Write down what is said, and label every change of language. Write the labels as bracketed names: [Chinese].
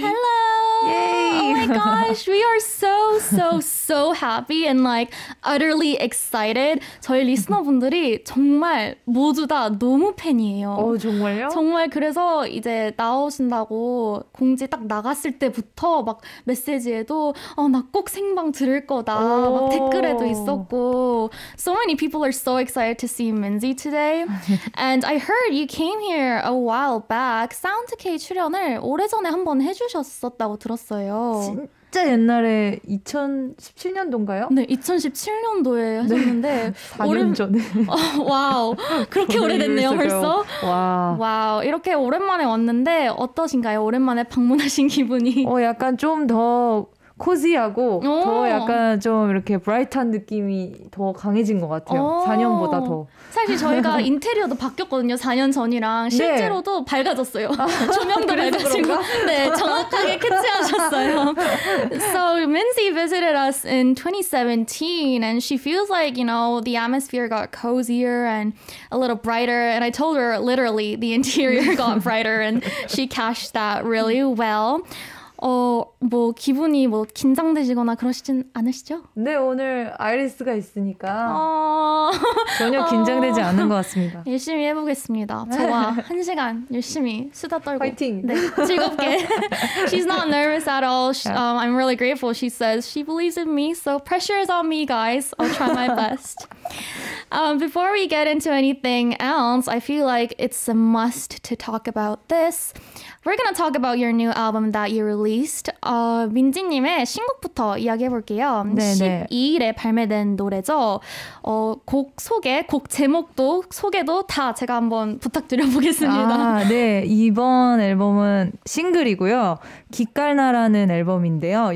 [English] Hello. Yay. Oh my gosh, we are so so so happy and like utterly excited. [Korean] 저희 리스너분들이 정말 모두 다 너무 팬이에요. 어, 정말요? 정말 그래서 이제 나오신다고 공지 딱 나갔을 때부터 막 메시지에도 어, 나 꼭 생방 들을 거다. 오. 막 댓글에도 있었고. [English] So many people are so excited to see Minzy today. And I heard you came here a while back. [Korean] Sound K 출연을 오래전에 한번 해 주셨었다고 들었어요. 진짜 옛날에 2017년도인가요? 네, 2017년도에 하셨는데 네, 4년 전에. 어, 와우, 그렇게 오래됐네요 벌써? 와. 와우, 이렇게 오랜만에 왔는데 어떠신가요? 오랜만에 방문하신 기분이. 어, 약간 좀 더 코지하고 오. 더 약간 좀 이렇게 브라이트한 느낌이 더 강해진 것 같아요. 오. 4년보다 더. 사실 저희가 인테리어도 바뀌었거든요. 4년 전이랑 실제로도 네. 밝아졌어요. 조명도 밝아지고 네, 정확하게 캐치하셨어요. [English] So Minzy visited us in 2017 and she feels like, you know, the atmosphere got cozier and a little brighter and I told her literally the interior got brighter and she cashed that really well. [Korean] 어, 뭐 기분이 뭐 긴장되시거나 그러시진 않으시죠? 네, 오늘 아이리스가 있으니까 전혀 긴장되지 않은 것 같습니다. 열심히 해보겠습니다. 저와 한 시간 열심히 수다 떨고 파이팅! 네, 즐겁게. [English] She's not nervous at all. I'm really grateful. She says she believes in me, so pressure is on me, guys. I'll try my best. Before we get into anything else, I feel like it's a must to talk about this. We're gonna talk about your new album that you released. [Korean] 민지님의 신곡부터 이야기해볼게요. 네네. 12일에 발매된 노래죠. 어, 곡 소개, 곡 제목도 소개도 다 제가 한번 부탁드려보겠습니다. 아, 네. 이번 앨범은 싱글이고요. 기깔나라는 앨범인데요.